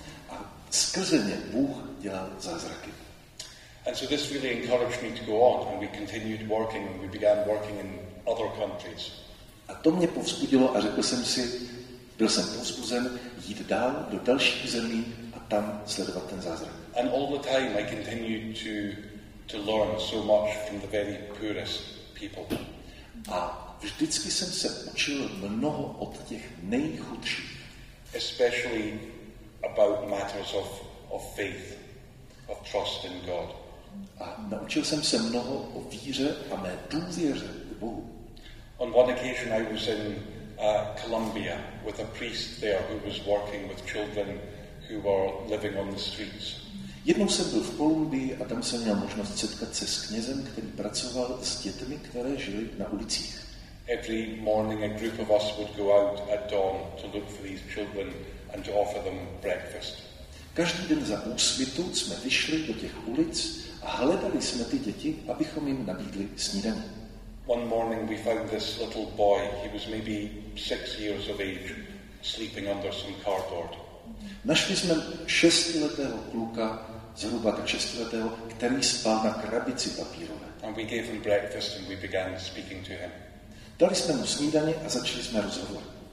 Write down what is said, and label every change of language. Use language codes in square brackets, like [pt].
[cs] A skrze ně Bůh dělal zázraky. [en] And so this really encouraged me to go on, and we continued working, and we began working in other countries. [cs] A to mě povzbudilo a řekl jsem si, byl jsem povzbuzen jít dál do dalších zemí a tam sledovat ten zázrak. [en] And all the time I continued to learn so much from the very poorest people. [cs] A vždycky jsem se učil mnoho od těch nejchudších. [en] Especially about matters of faith, of trust in God. [cs] A naučil jsem se mnoho o víře a mé důvěře k Bohu. [en] On one occasion I was in Colombia with a priest there who was working with children who were living on the streets. [cs] Jednou jsem byl v Kolumbii a tam jsem měl možnost setkat se s knězem, který pracoval s dětmi, které žili na ulicích. [en] Every morning a group of us would go out at dawn to look for these children and to offer them breakfast. [cs] Každý den za úsvitu jsme vyšli do těch ulic a hledali jsme ty děti, abychom jim nabídli snídaní. [en] One morning we found this little boy, he was maybe 6 years of age, sleeping under some cardboard. [cs] Našli jsme 6letého kluka, zhruba tak 6letého, který spal na krabici papírové. [en] And we gave him breakfast and we began speaking to him. [cs] Dali jsme mu snídaně a začali jsme rozhovor.